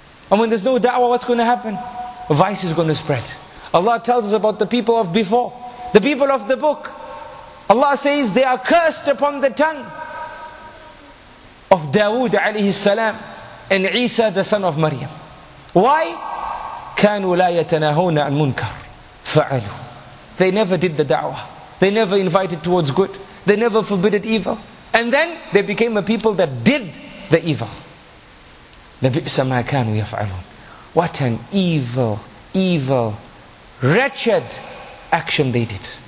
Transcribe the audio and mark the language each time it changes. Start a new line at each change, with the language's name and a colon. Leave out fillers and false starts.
English: And when there's no da'wah, what's going to happen? Vice is going to spread. Allah tells us about the people of before, the people of the book. Allah says they are cursed upon the tongue of Dawood alayhi salam and Isa the son of Maryam. Why?
Arabic: كانوا لا يتناهون عن منكر فعلوا.
English: They never did the da'wah. They never invited towards good. They never forbidded evil. And then they became a people that did the evil.
Arabic: لَبِئْسَ مَا كَانُوا يَفْعَلُونَ.
English: What an evil, evil, wretched action they did.